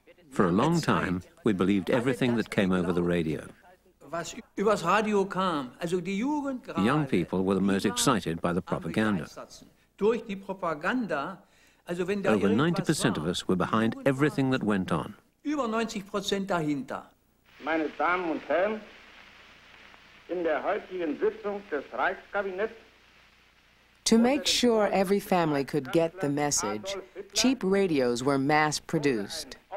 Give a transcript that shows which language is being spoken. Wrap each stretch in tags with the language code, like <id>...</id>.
<en>For a long time, we believed everything that came over the radio. The young people were the most excited by the propaganda. Over 90% of us were behind everything that went on.</en> <de>Über 90% dahinter. Meine Damen und Herren, in der heutigen Sitzung des Reichskabinetts.</de> <en>To make sure every family could get the message, cheap radios were mass-produced.</en>